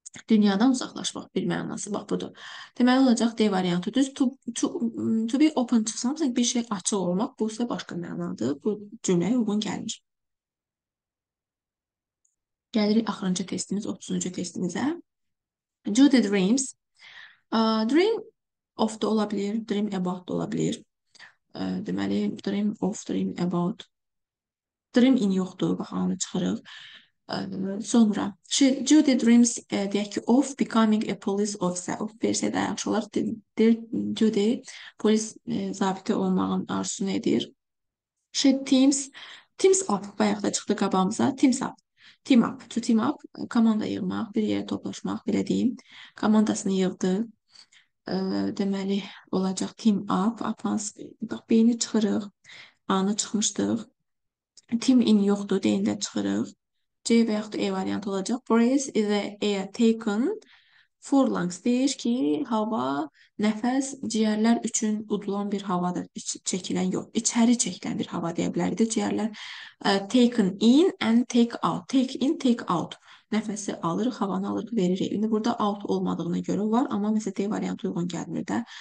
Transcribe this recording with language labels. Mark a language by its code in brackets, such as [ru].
[az] Dünyadan uzaqlaşmaq bir mənası. Bax, budur. Deməli, olacaq D variantı. Düz [en] to be open to something, [az] bir şey açıq olmaq, bu isə başqa mənadır. Bu cümləyə uyğun gəlmir. Gəlirik axırıncı testimiz, 30-cu testimizə. [en] Judy dreams. [az] Dream of da ola bilir, dream about da ola bilir. Deməli, dream of, dream about. Dream in yoxdur, bax, anı çıxırıq. Sonra Judy dreams deyək ki [en] of becoming a police officer. [az] Of versiyə də yaxşı olar. Judy polis zabiti olmağın arzusunu edir. Teams up bayaq da çıxdı qabağımıza. [en] Team up. To team up. [az] Komanda yığmaq, bir yerə toplaşmaq, belə deyim. Komandasını yığdı. Deməli olacaq team up. Advance, bax, beyni çıxırıq. Anı çıxmışdıq. Team in yoxdur, deyində çıxırıq. C və yaxud da E variantı olacaq. [en] Breath is a air taken for lungs. [az] Deyir ki, hava, nəfəs, ciyərlər üçün udulan bir havadır. Çəkilən yox, içəri çəkilən bir hava deyə bilərdi. Ciyərlər [en] taken in and take out. Take in, take out. [az] Nəfəsi alırıq, havanı alırıq, veririk. İndi burada out olmadığına görə var, amma məsələn D variantı uyğun gəlmir də.